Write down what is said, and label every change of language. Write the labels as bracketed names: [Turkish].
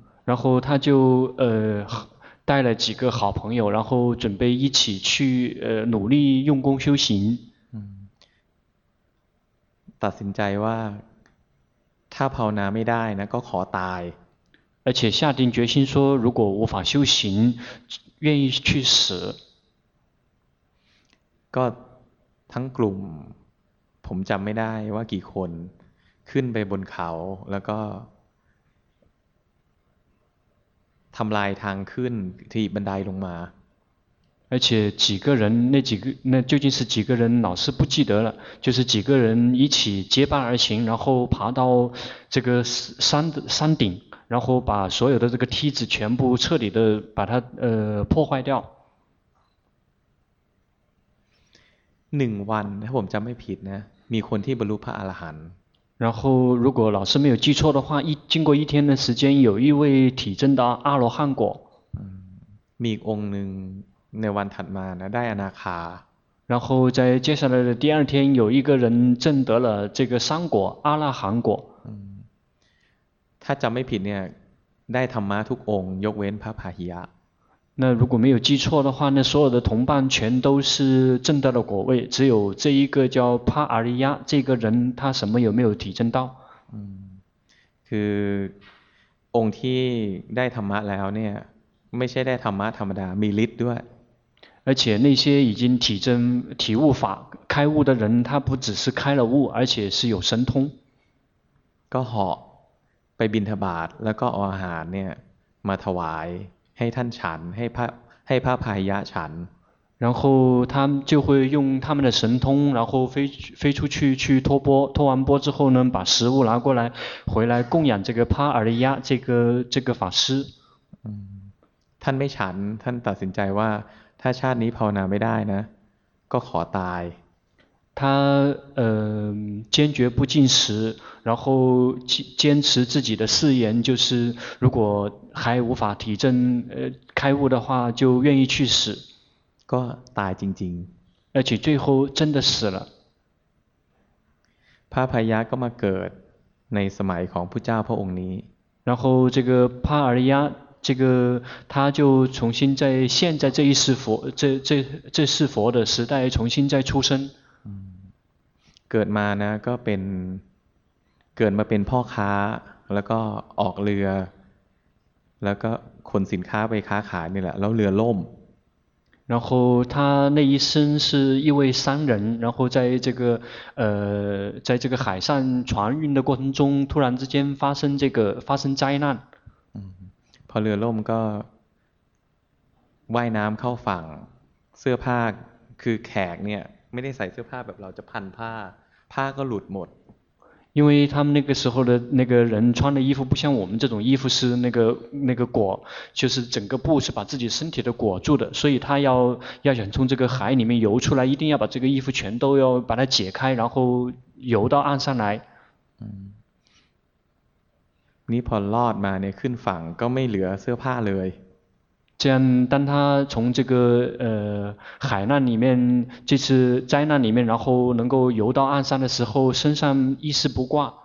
[Chinese] 然后他就带了几个好朋友然后准备一起去努力用功修行 [Thai] ตัดสินใจว่าถ้าภาวนาไม่ได้นะก็ขอตาย [Chinese] 而且下定决心说如果无法修行愿意去死 [Thai] ก็ทั้งกลุ่มผมจำไม่ได้ว่ากี่คนขึ้นไปบนเขาแล้วก็ทำลายทางขึ้นที่บันไดลงมา [Chinese] 而且几个人那几个那究竟是几个人老师不记得了就是几个人一起结伴而行然后爬到这个山顶然后把所有的这个梯子全部彻底的把它破坏掉 [Thai] หนึ่งวันถ้าผมจำไม่ผิดนะมีคนที่บรรลุพระอรหันต์ [Chinese] 然后如果老师没有记错的话一经过一天的时间有一位体证的阿罗汉果 [Thai] มีองค์หนึ่งในวันถัดมานะได้อนาคา [Chinese] 然后在接下来的第二天有一个人证得了这个三果阿罗汉果 [Thai] ถ้าจำไม่ผิดเนี่ยได้ธรรมะทุกองค์ยกเว้นพระพาหิยะ [Chinese] 那如果没有记错的话那所有的同伴全都是证到的果位只有这一个叫帕阿利亚这个人他什么有没有体证到 [Thai] คือองค์ที่ได้ธรรมะแล้วเนี่ยไม่ใช่ได้ธรรมะธรรมดามีฤทธิ์ด้วย [Chinese] 而且那些已经体证体悟法开悟的人他不只是开了悟而且是有神通 [Thai] ก็หอกไปบิณฑบาตแล้วก็เอาอาหารเนี่ยมาถวายให้ท่านฉันให้พระพาหิยะฉัน [Chinese] 然后他就会用他们的神通然后飞出去去托钵托完钵之后呢把食物拿过来回来供养这个帕阿利亚这个法师 [Thai] ท่านไม่ฉันท่านตัดสินใจว่าถ้าชาตินี้ภาวนาไม่ได้นะก็ขอตาย [Chinese] 他坚决不进食然后坚持自己的誓言就是如果还无法体证开悟的话就愿意去死 [Thai] ก็ตายจริง [Chinese] ๆ而且最后真的死了 [Thai] พระพาหิยะก็มาเกิดในสมัยของพุทธเจ้าพระองค์นี้ [Chinese] 然后这个帕阿利亚这个他就重新在现在这一世佛这世佛的时代重新再出生 [Thai] กิดมานะก็เป็นเกิดมาเป็นพ่อค้าแล้วก็ออกเรือแล้วก็ขนสินค้าไปค้าขายนี่แหละแล้วเรือล่ม [Chinese] 然后他那一生是一位商人，然后在这个在这个海上船运的过程中，突然之间发生这个发生灾难。嗯， [Thai] พอเรือล่มก็ว่ายน้ำเข้าฝั่งเสื้อผ้าคือแขกเนี่ยไม่ได้ใส่เสื้อผ้าแบบเราจะพันผ้าผ้าก็หลุดหมด [Chinese] 因为他们那个时候的那个人穿的衣服不像我们这种衣服是那个裹，就是整个布是把自己身体的裹住的，所以他要想从这个海里面游出来，一定要把这个衣服全都要把它解开，然后游到岸上来。嗯，你 [Thai] พอรอดมาเนี่ยขึ้นฝั่งก็ไม่เหลือเสื้อผ้าเลย。 [Chinese] 这样，当他从这个海难里面，这次灾难里面，然后能够游到岸上的时候，身上一丝不挂。